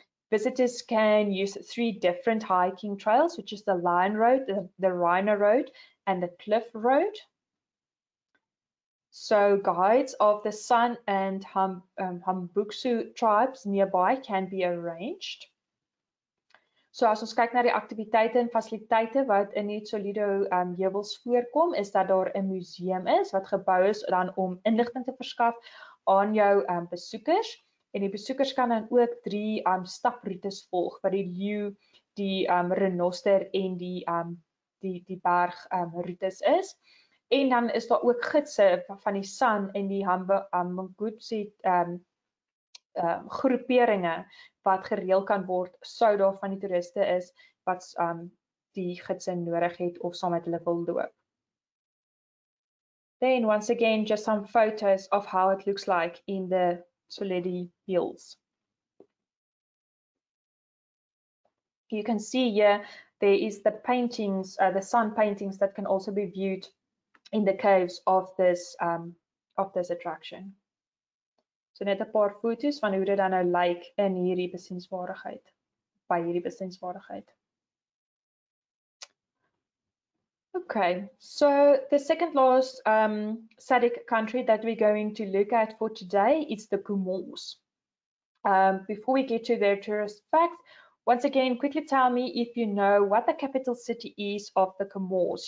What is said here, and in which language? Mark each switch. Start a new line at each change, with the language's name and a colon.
English: Visitors can use three different hiking trails, which is the Lion Road, the Rhino Road, and the Cliff Road. So guides of the Sun and Hambuksu tribes nearby can be arranged.
Afrikaans: So as ons kyk na die aktiwiteite en fasiliteite wat in die Solido heuwels voorkom, is dat daar 'n museum is wat gebou is dan om inligting te verskaf aan jou besoekers. En die besoekers kan dan ook drie staproetes volg wat die leeu, die renoster en die berg roetes is. En dan is daar ook gidse van die San en die Hambuksu groeperinge wat gereël kan word sou daar van die toeriste is wat die gidse nodig het of saam met hulle wil loop.
English: Then once again just some photos of how it looks like in the Solidi Hills. You can see here there is the paintings, the sun paintings that can also be viewed in the caves of this attraction.
Afrikaans: So net 'n paar foto's van hoe dit dan nou lyk in hierdie besienswaardigheid, by hierdie besienswaardigheid.
English: Okay, so the second last SADC country that we're going to look at for today is the Comoros. Before we get to their tourist facts, once again, quickly tell me if you know what the capital city is of the Comoros.